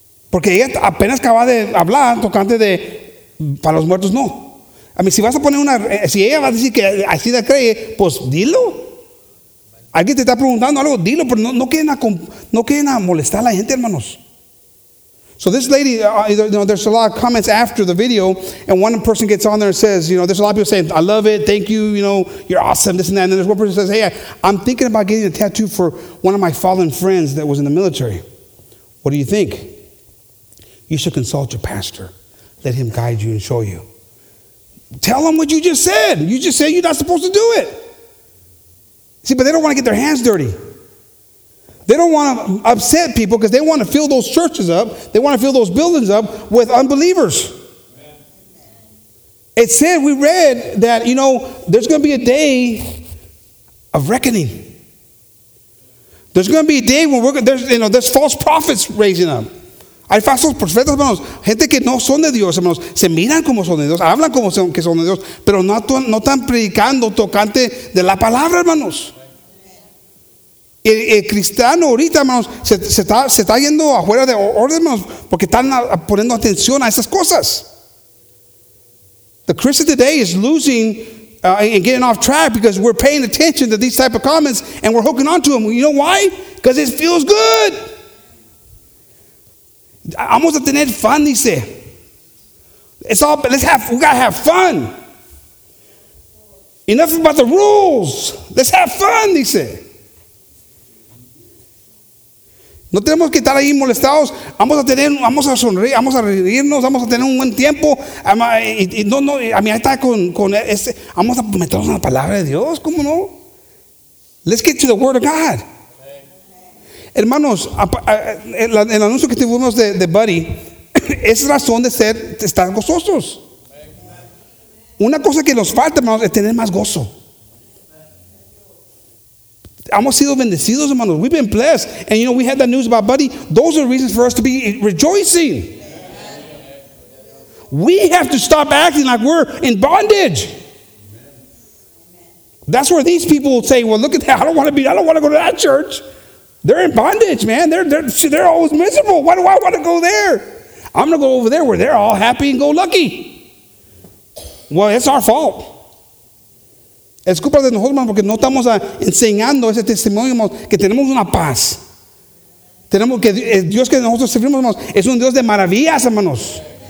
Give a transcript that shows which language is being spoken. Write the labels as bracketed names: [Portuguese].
[Spanish] Porque ella apenas acaba de hablar tocante de para los muertos, no. A mí, si vas a poner una, si ella va a decir que así la cree, pues dilo. Alguien te está preguntando algo, dilo, pero no quieren a molestar a la gente, hermanos. [English] So this lady, you know, there's a lot of comments after the video, and one person gets on there and says, you know, there's a lot of people saying, I love it, thank you, you know, you're awesome, this and that. And then there's one person says, hey, I'm thinking about getting a tattoo for one of my fallen friends that was in the military. What do you think? You should consult your pastor. Let him guide you and show you. Tell them what you just said. You just said you're not supposed to do it. See, but they don't want to get their hands dirty. They don't want to upset people because they want to fill those churches up. They want to fill those buildings up with unbelievers. Amen. It said, we read that, you know, there's going to be a day of reckoning. There's going to be a day when we're going to, you know, there's false prophets raising up. [Spanish] Hay falsos profetas, hermanos, gente que no son de Dios, hermanos, se miran como son de Dios, hablan como son, que son de Dios, pero no están predicando tocante de la palabra, hermanos. El cristiano ahorita, hermanos, se está yendo afuera de orden, hermanos, porque están poniendo atención a esas cosas. [English] The Christian today is losing and getting off track because we're paying attention to these type of comments and we're hooking on to them. You know why? Because it feels good. [Spanish] Vamos a tener fun, dice. [English] It's all, but we gotta have fun. Enough about the rules. Let's have fun, dice. [Spanish] No tenemos que estar ahí molestados. Vamos a sonreír, vamos a reírnos, vamos a tener un buen tiempo. A mí está con este. Vamos a meternos en la palabra de Dios, ¿cómo no? [English] Let's get to the Word of God. [Spanish] Hermanos, el anuncio que tuvimos de Buddy es razón de ser, de estar gozosos. Una cosa que nos falta, hermanos, es tener más gozo. Hemos sido bendecidos, hermanos. [English] We've been blessed. And you know, we had that news about Buddy. Those are reasons for us to be rejoicing. We have to stop acting like we're in bondage. That's where these people will say, well, look at that. I don't want to go to that church. They're in bondage, man. They're always miserable. Why do I want to go there? I'm going to go over there where they're all happy and go lucky. Well, it's our fault. [Spanish] Es culpa de nosotros, hermanos, porque no estamos enseñando ese testimonio, hermanos, que tenemos una paz. Tenemos que Dios que nosotros servimos, hermanos, es un Dios de maravillas, hermanos.